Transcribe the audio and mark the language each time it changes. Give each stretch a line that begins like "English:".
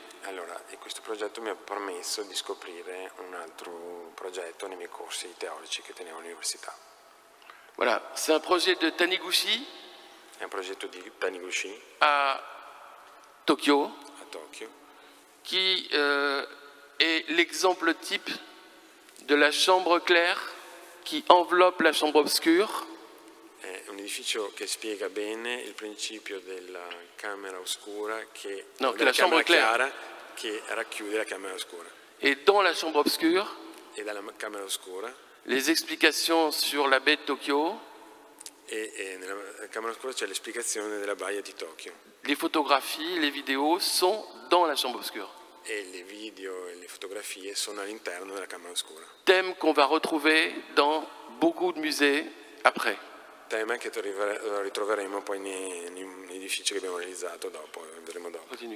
Italian: Allora, e questo progetto mi ha permesso di scoprire un altro progetto nei miei corsi teorici che tenevo all'università.
French: Voilà, c'est un projet de Taniguchi.
Italian: È un progetto di Taniguchi.
French: A Tokyo.
Italian: A Tokyo.
French: Qui est l'exemple type de la chambre claire qui enveloppe la chambre obscure.
Italian: È un edificio che spiega bene il principio della camera oscura che no, della
French: la chambre claire
Italian: chiara, che racchiude la camera oscura.
French: Et dans la chambre obscure,
Italian: e dalla camera oscura,
French: les explications sur la baie de Tokyo.
Italian: E nella camera oscura c'è l'esplicazione della baia di Tokyo.
French: Les photographies, les vidéos sont dans la chambre obscure.
Italian: E le video e le fotografie sono all'interno della camera oscura.
French: Thème qu'on va retrouver dans beaucoup de musées après.
Italian: Tema che ritroveremo poi nei edifici che abbiamo realizzato dopo, vedremo dopo.